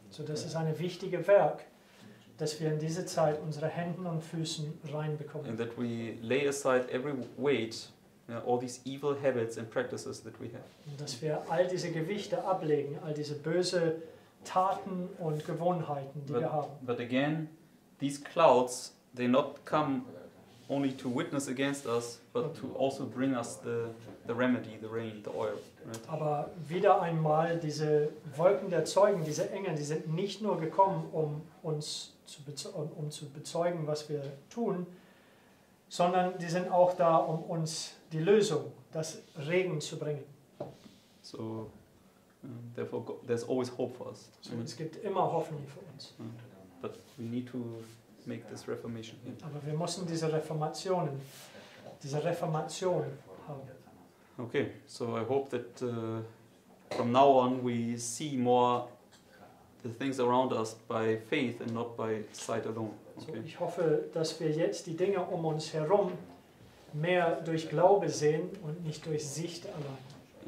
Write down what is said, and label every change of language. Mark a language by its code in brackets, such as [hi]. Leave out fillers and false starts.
[de] So, das ist eine wichtige Werk, dass wir in diese Zeit unsere Hände und Füßen reinbekommen. [en] And that we lay aside every weight, all these evil habits and practices that we have. [de] Und dass wir all diese Gewichte ablegen, all diese böse Taten und Gewohnheiten, die wir haben. [en] But again, these clouds, they not come only to witness against us, but to also bring us the remedy, the rain, the oil. Right? [de] Aber wieder einmal, diese Wolken der Zeugen, diese Engel, die sind nicht nur gekommen, um uns zu bezeugen, was wir tun, sondern die sind auch da, um uns die Lösung, das Regen zu bringen. [en] So, therefore, there's always hope for us. [de] So, es gibt immer Hoffnung für uns. [en] But we need to make this reformation. Yeah. [de] Aber wir müssen diese Reformation haben. [en] Okay, so I hope that from now on we see more the things around us by faith and not by sight alone. Okay. [de] So ich hoffe, dass wir jetzt die Dinge um uns herum mehr durch Glaube sehen und nicht durch Sicht allein.